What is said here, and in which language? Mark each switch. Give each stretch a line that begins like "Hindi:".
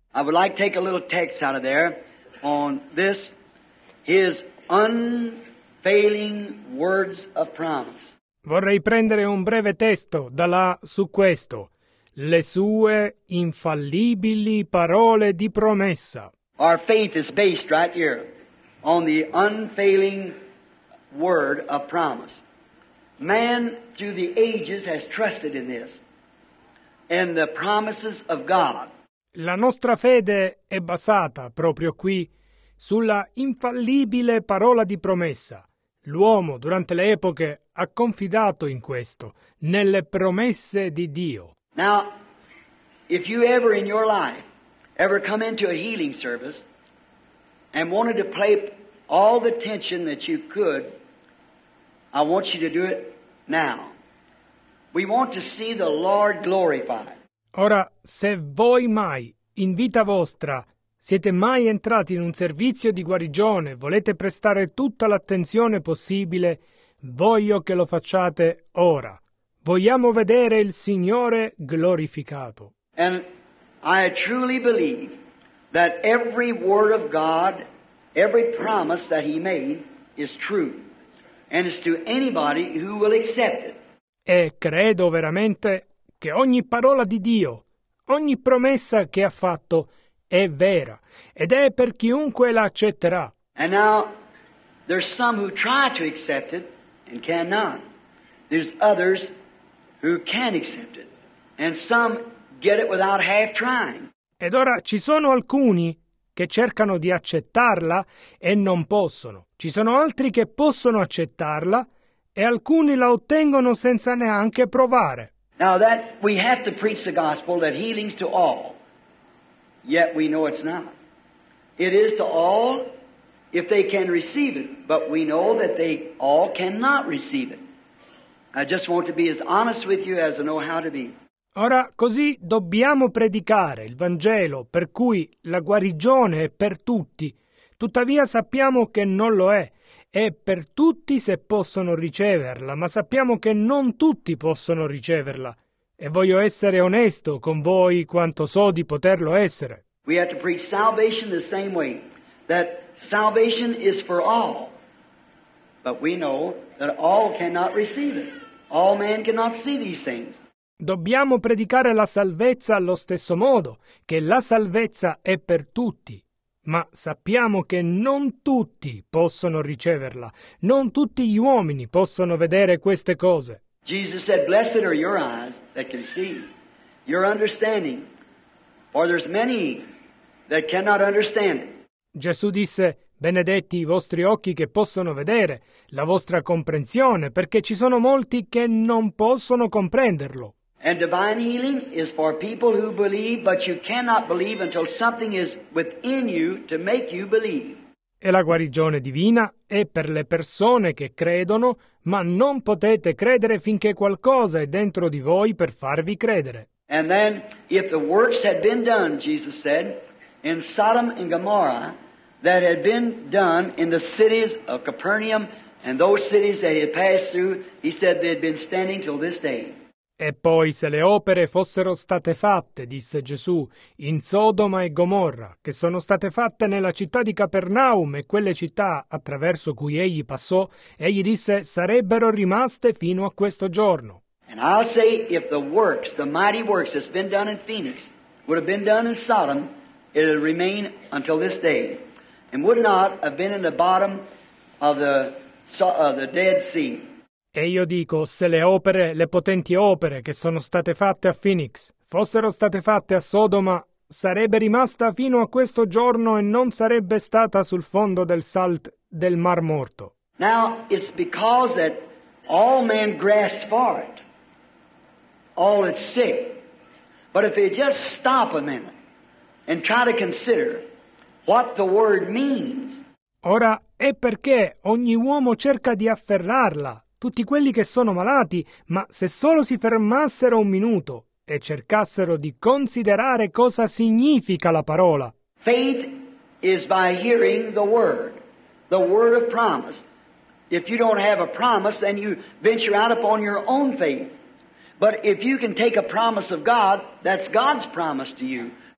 English: I would like to take a little text out of there on this, his unfailing words of promise.
Italian: Vorrei prendere un breve testo da là su questo, le sue infallibili parole di promessa.
English: Our faith is based right here on the unfailing word of promise. Man through the ages has trusted in this and the promises of God.
Italian: La nostra fede è basata proprio qui sulla infallibile parola di promessa. L'uomo durante le epoche ha confidato in questo, nelle promesse di Dio.
English: Now, if you ever in your life ever come into a healing service and wanted to play all the tension that you could, I want you to do it now. We want to see the Lord glorified.
Italian: Ora, se voi mai, in vita vostra, siete mai entrati in un servizio di guarigione, volete prestare tutta l'attenzione possibile, voglio che lo facciate ora. Vogliamo vedere il Signore glorificato.
English: And I truly believe that every word of God, every promise that He made is true. And it's to anybody who will accept it.
Italian: E credo veramente che ogni parola di Dio, ogni promessa che ha fatto è vera ed è per chiunque la accetterà.
English: And now there's some who try to accept it and cannot. There's others who can accept it and some get it without half trying.
Italian: Ed ora ci sono alcuni che cercano di accettarla e non possono. Ci sono altri che possono accettarla e alcuni la ottengono senza neanche provare.
English: Now that we have to preach the gospel that healing's to all. Yet we know it's not. It is to all if they can receive it, but we know that they all cannot receive it. I just want to be as honest with you as I know how to be.
Italian: Ora, così dobbiamo predicare il Vangelo per cui la guarigione è per tutti. Tuttavia sappiamo che non lo è. È per tutti se possono riceverla, ma sappiamo che non tutti possono riceverla. E voglio essere onesto con voi quanto so di poterlo essere.
English: We have to preach salvation the same way, that salvation is for all. But we know that all cannot receive it. All man cannot see these things.
Italian: Dobbiamo predicare la salvezza allo stesso modo, che la salvezza è per tutti. Ma sappiamo che non tutti possono riceverla. Non tutti gli uomini possono vedere queste cose.
English: Jesus said, blessed are your eyes that can see, your understanding, for there's many that cannot understand.
Italian: Gesù disse, benedetti i vostri occhi che possono vedere, la vostra comprensione, perché ci sono molti che non possono comprenderlo.
English: And divine healing is for people who believe, but you cannot believe until something is within you to make you believe.
Italian: E la guarigione divina è per le persone che credono, ma non potete credere finché qualcosa è dentro di voi per farvi credere.
English: And then, if the works had been done, Jesus said, in Sodom and Gomorrah, that had been done in the cities of Capernaum and those cities that he had passed through, he said they had been standing till this day.
Italian: E poi se le opere fossero state fatte, disse Gesù, in Sodoma e Gomorra, che sono state fatte nella città di Capernaum e quelle città attraverso cui egli passò, egli disse, sarebbero rimaste fino a questo giorno.
English: And I'll say if the works, the mighty works that's been done in Phoenix, would have been done in Sodom, it would remain until this day. And would not have been in the bottom of the Dead Sea.
Italian: E io dico, se le opere, le potenti opere che sono state fatte a Phoenix, fossero state fatte a Sodoma, sarebbe rimasta fino a questo giorno e non sarebbe stata sul fondo del Salt del Mar Morto.
English: Now, it's because that all men grasp for it, all that's sick. But if they just stop a minute and try to consider what the word means.
Italian: Ora, è perché ogni uomo cerca di afferrarla. Tutti quelli che sono malati, ma se solo si fermassero un minuto e cercassero di considerare cosa significa la parola.
English: Faith is by hearing the word of promise. If you don't have a promise, then you venture out upon your own faith. But if you can take a promise of God, that's God's promise to you.